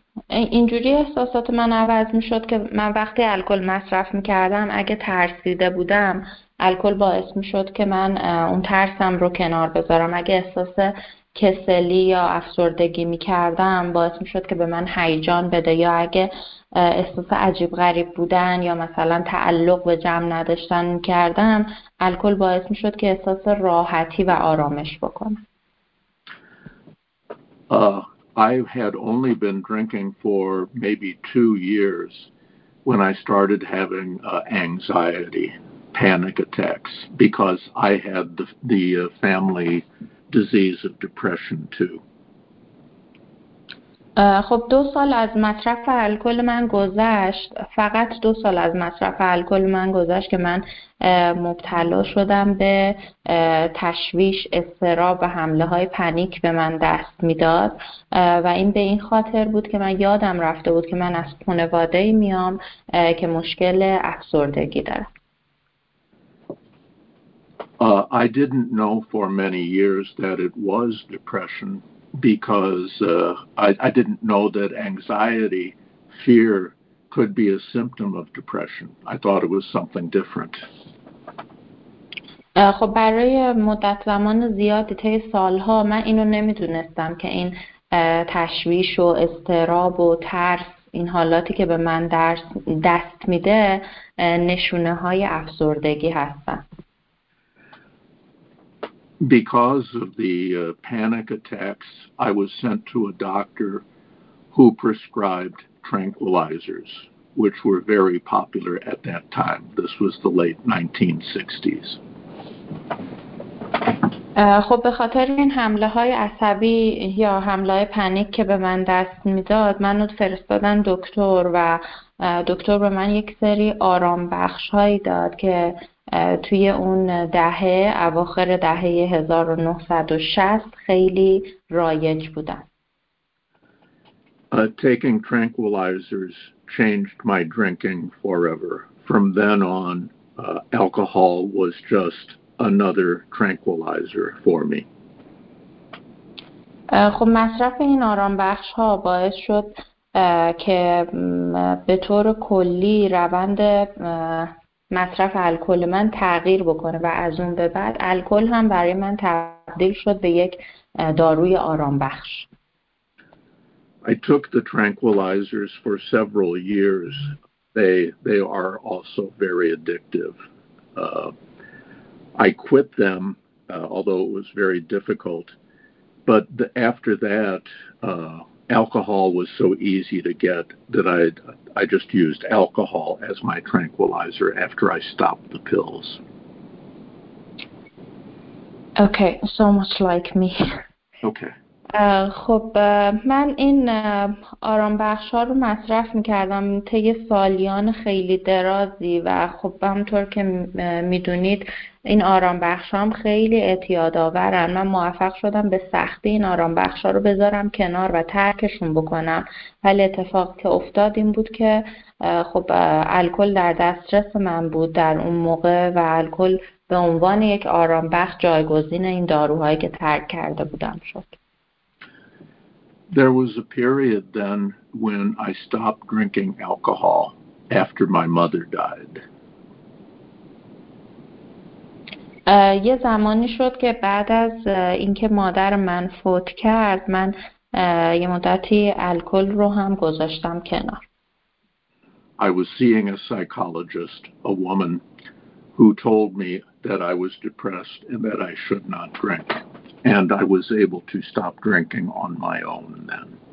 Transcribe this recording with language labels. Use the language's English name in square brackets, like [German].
[Persian] اینجوری احساسات من عوض میشد که من وقتی الکل مصرف میکردم اگه ترسیده بودم الکل باعث میشد که من اون ترسم رو کنار بذارم، اگه احساس کسلی یا افسردگی میکردم باعث میشد که به من هیجان بده، یا اگه احساس عجیب غریب بودن یا مثلا تعلق به جمع نداشتن میکردم الکل باعث میشد که احساس راحتی و آرامش بکنم. [English] I had only been drinking for maybe 2 years when I started having anxiety, panic attacks, because I had the family disease of depression too. [Persian] خب دو سال از مصرف الکل من گذشت، فقط دو سال از مصرف الکل من گذشت که من مبتلا شدم به تشویش، اضطراب و حمله های پنیک به من دست میداد و این به این خاطر بود که من یادم رفته بود که من از خانواده ای میام که مشکل افسردگی دارم. [English] I didn't know for many years that it was depression. Because I didn't know that anxiety, fear, could be a symptom of depression. I thought it was something different. [Persian] خب برای مدت زمان زیادی طی سالها من اینو نمیدونستم که این تشویش و اضطراب و ترس، این حالاتی که به من دست میده، نشونه های افسردگی هستن. [English] Because of the panic attacks, I was sent to a doctor who prescribed tranquilizers, which were very popular at that time. This was the late 1960s. [Persian] خب به خاطر این حمله های عصبی یا حمله های پنیک که به من دست میداد من رو فرستادن دکتر و دکتر به من یک سری آرام بخش هایی داد که توی اون دهه اواخر دهه 1960 خیلی رایج بودن. [English] Taking tranquilizers changed my drinking forever. From then on, alcohol was just another tranquilizer for me. [Persian] خب مصرف این آرام بخش ها باعث شد که به طور کلی روند مصرف الکل من تغییر بکنه و از اون به بعد الکل هم برای من تبدیل شد به یک داروی آرام بخش. [English] I took the tranquilizers for several years. They are also very addictive. I quit them, although it was very difficult. But after that, alcohol was so easy to get that I just used alcohol as my tranquilizer after I stopped the pills. Okay, so much like me. Okay. [Persian] خب من این آرام بخش ها رو مصرف میکردم طی سالیان خیلی درازی و خب همطور که میدونید این آرام بخش ها هم خیلی اعتیادآورن. من موفق شدم به سختی این آرام بخش ها رو بذارم کنار و ترکشون بکنم، ولی اتفاق که افتاد این بود که خب الکل در دسترس من بود در اون موقع و الکل به عنوان یک آرام بخش جایگزین این داروهایی که ترک کرده بودم شد. [English] There was a period then when I stopped drinking alcohol after my mother died. [Persian] یه زمانی شد که بعد از اینکه مادر من فوت کرد من یه مدتی الکل رو هم گذاشتم کنار. [English] I was seeing a psychologist, a woman, who told me that I was depressed and that I should not drink. And I was able to stop drinking on my own then.